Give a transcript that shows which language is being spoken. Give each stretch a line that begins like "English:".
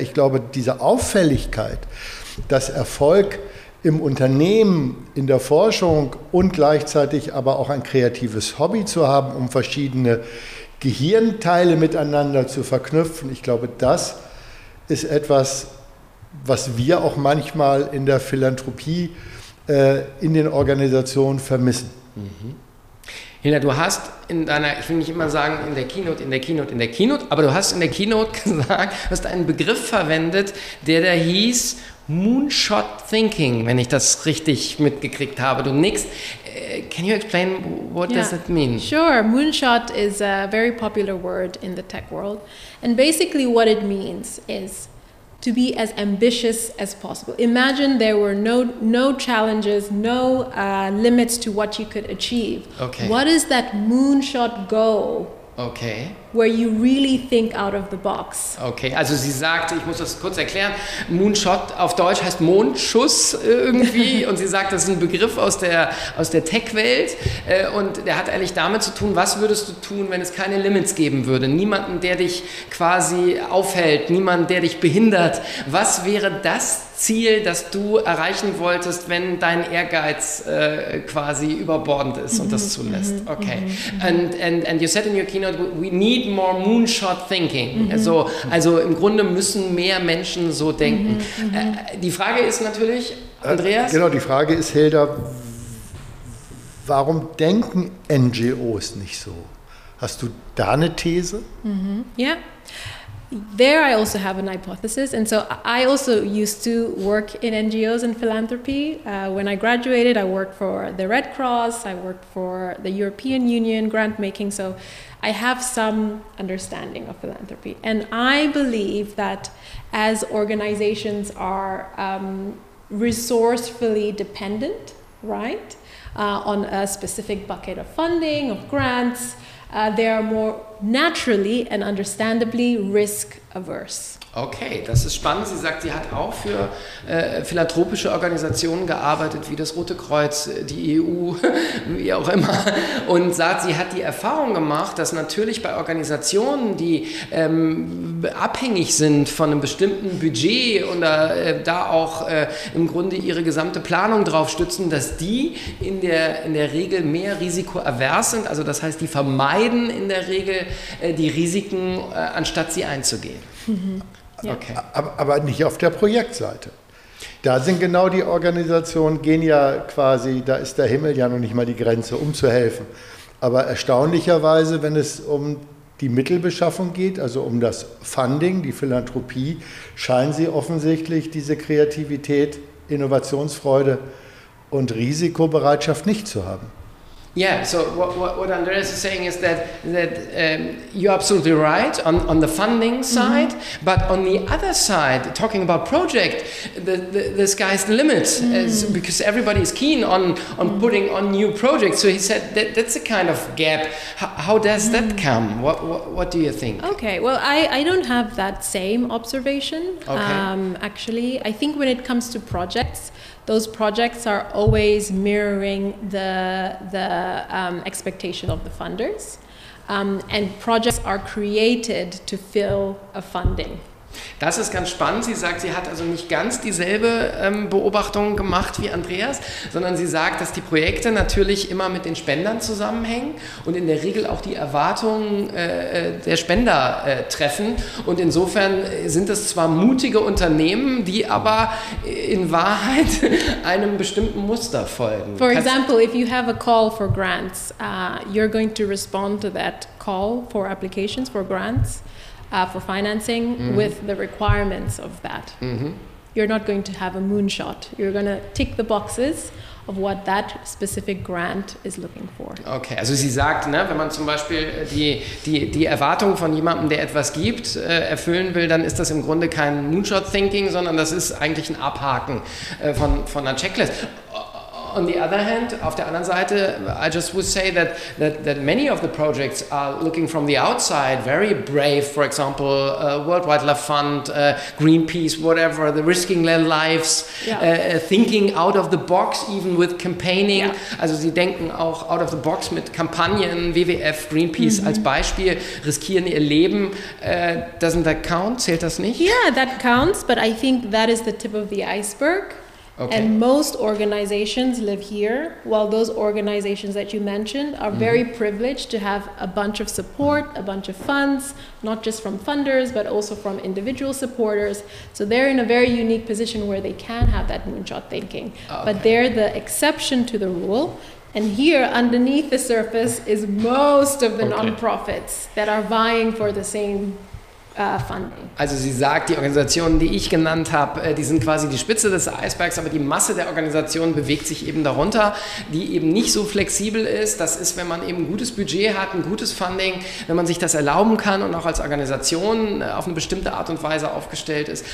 German: Ich glaube, diese Auffälligkeit, dass Erfolg im Unternehmen, in der Forschung und gleichzeitig aber auch ein kreatives Hobby zu haben, um verschiedene Gehirnteile miteinander zu verknüpfen, ich glaube, das ist etwas, was wir auch manchmal in der Philanthropie in den Organisationen vermissen. Mhm. Hilda, du hast in deiner, ich will nicht immer sagen, in der Keynote, aber du hast in der Keynote gesagt, hast einen Begriff verwendet, der da hieß Moonshot Thinking, wenn ich das richtig mitgekriegt habe. Du nickst.
English: Can you explain what does it mean? Sure, Moonshot is a very popular word in the tech world. And basically what it means is to be as ambitious as possible. Imagine there were no challenges, no limits to what you could achieve. Okay. What is that moonshot goal? Okay. Where you really think out of the box.
German: Okay, also sie sagt, ich muss das kurz erklären, Moonshot auf Deutsch heißt Mondschuss irgendwie und sie sagt, das ist ein Begriff aus der Tech-Welt und der hat eigentlich damit zu tun, was würdest du tun, wenn es keine Limits geben würde, niemanden, der dich quasi aufhält, niemanden, der dich behindert, was wäre das Ziel, das du erreichen wolltest, wenn dein Ehrgeiz quasi überbordend ist und das zulässt? Okay.
English: And you said in your keynote, we need more moonshot thinking. Mm-hmm.
German: Also im Grunde müssen mehr Menschen so denken. Mm-hmm. Die Frage ist natürlich, Andreas? Genau, die Frage ist, Hilda, warum denken NGOs nicht so? Hast du da eine These? Mm-hmm. Yeah.
English: There I also have an hypothesis, and so I also used to work in NGOs and philanthropy. When I graduated, I worked for the Red Cross, I worked for the European Union grant making, so I have some understanding of philanthropy. And I believe that as organizations are resourcefully dependent, right, on a specific bucket of funding, of grants, they are more naturally and understandably risk-averse.
German: Okay, das ist spannend. Sie sagt, sie hat auch für philanthropische Organisationen gearbeitet, wie das Rote Kreuz, die EU, wie auch immer. Und sagt, sie hat die Erfahrung gemacht, dass natürlich bei Organisationen, die abhängig sind von einem bestimmten Budget und da auch im Grunde ihre gesamte Planung drauf stützen, dass die in der Regel mehr risikoavers sind. Also das heißt, die vermeiden in der Regel die Risiken, anstatt sie einzugehen. Mhm. Ja. Okay. Aber nicht auf der Projektseite. Da sind genau die Organisationen, gehen ja quasi, da ist der Himmel ja noch nicht mal die Grenze, um zu helfen. Aber erstaunlicherweise, wenn es um die Mittelbeschaffung geht, also um das Funding, die Philanthropie, scheinen sie offensichtlich diese Kreativität, Innovationsfreude und Risikobereitschaft nicht zu haben.
English: Yeah, so what Andreas is saying is that you're absolutely right on the funding side, mm-hmm. but on the other side, talking about project, the sky's the limit, because everybody is keen on putting on new projects. So he said that's a kind of gap. How does that come? What do you think? Okay, well, I don't have that same observation, actually. I think when it comes to projects, those projects are always mirroring the expectation of the funders, and projects are created to fill a funding.
German: Das ist ganz spannend. Sie sagt, sie hat also nicht ganz dieselbe Beobachtung gemacht wie Andreas, sondern sie sagt, dass die Projekte natürlich immer mit den Spendern zusammenhängen und in der Regel auch die Erwartungen der Spender treffen. Und insofern sind es zwar mutige Unternehmen, die aber in Wahrheit einem bestimmten Muster folgen.
English: For example, if you have a call for grants, you're going to respond to that call for applications for grants. For financing, mm-hmm. with the requirements of that. Mm-hmm. You're not going to have a moonshot. You're going to tick the boxes of what that specific grant is looking for.
German: Okay, also sie sagt, ne, wenn man zum Beispiel die Erwartung von jemandem, der etwas gibt, erfüllen will, dann ist das im Grunde kein Moonshot-Thinking, sondern das ist eigentlich ein Abhaken von einer Checklist.
English: On the other hand,
German: auf der anderen Seite,
English: I just would say that many of the projects are looking from the outside, very brave, for example, World Wildlife Fund, Greenpeace, whatever, the risking their lives, thinking out of the box, even with campaigning. Yeah.
German: Also sie denken auch
English: out of the box
German: mit Kampagnen, WWF, Greenpeace, mm-hmm. als Beispiel, riskieren ihr Leben.
English: Doesn't that count?
German: Zählt das nicht?
English: Yeah, that counts, but I think that is the tip of the iceberg. Okay. And most organizations live here, while those organizations that you mentioned are very privileged to have a bunch of support, a bunch of funds, not just from funders, but also from individual supporters. So they're in a very unique position where they can have that moonshot thinking. Okay. But they're the exception to the rule. And here, underneath the surface, is most of the nonprofits that are vying for the same funding.
German: Also sie sagt, die Organisationen, die ich genannt habe, die sind quasi die Spitze des Eisbergs, aber die Masse der Organisationen bewegt sich eben darunter, die eben nicht so flexibel ist. Das ist, wenn man eben ein gutes Budget hat, ein gutes Funding, wenn man sich das erlauben kann und auch als Organisation auf eine bestimmte Art und Weise aufgestellt ist.